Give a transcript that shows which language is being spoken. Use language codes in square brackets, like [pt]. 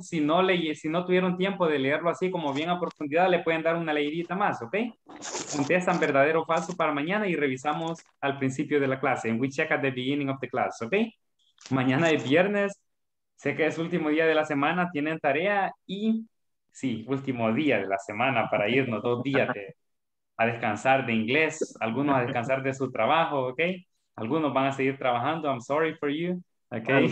[es] Si no tuvieron tiempo de leerlo así como bien a profundidad, le pueden dar una leidita más, okay? Contestan verdadero o falso para mañana y revisamos al principio de la clase. [en] And we check at the beginning of the class, okay? [es] Mañana es viernes. Sé que es último día de la semana, tienen tarea y sí, último día de la semana para irnos, dos días a descansar de inglés, algunos a descansar de su trabajo, ¿ok? Algunos van a seguir trabajando, [en] I'm sorry for you, [es] ¿ok?